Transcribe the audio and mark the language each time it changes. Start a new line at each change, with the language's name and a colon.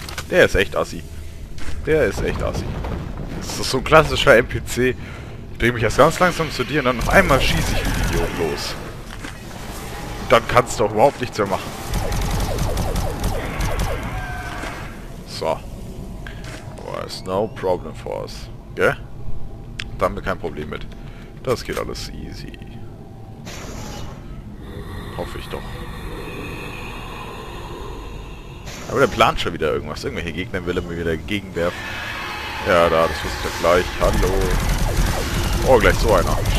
German: Der ist echt assi. Der ist echt assi. Das ist so ein klassischer NPC. Ich drehe mich erst ganz langsam zu dir und dann auf einmal schieße ich den Idiot los. Und dann kannst du auch überhaupt nichts mehr machen. So.
English: Well, it's no problem for us.
German: Gell? Da haben wir kein Problem mit. Das geht alles easy. Hoffe ich doch. Aber der plant schon wieder irgendwas. Irgendwelche Gegner will er mir wieder gegenwerfen. Ja, da, das wusste ich ja gleich. Hallo. Oh, gleich so einer.